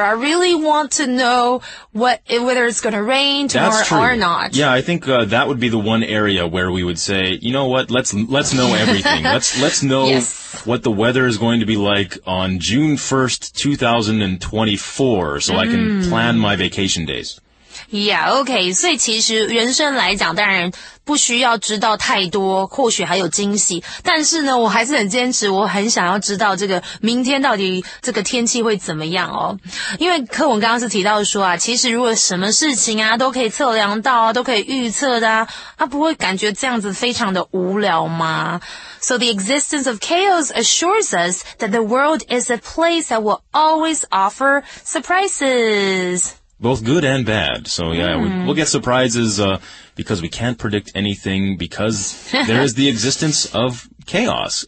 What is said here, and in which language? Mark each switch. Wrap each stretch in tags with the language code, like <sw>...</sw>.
<en>I really want to know whether it's going to rain tomorrow or not. Yeah, I think that would be the one area where we would say, you know what, let's know everything. let's know what the weather is going to be like on June 1st, 2024, so I can plan my vacation days. Yeah, okay.</en> <zh>所以其实人生来讲，当然不需要知道太多，或许还有惊喜，但是呢我还是很坚持，我很想要知道这个明天到底这个天气会怎么样哦。因为课文刚刚是提到说啊，其实如果什么事情啊都可以测量到啊，都可以预测的啊，他不会感觉这样子非常的无聊吗？</zh> <en>So the existence of chaos assures us that the world is a place that will always offer surprises. Both good and bad. So, yeah, we'll get surprises, because we can't predict anything because there is the existence of chaos.</en>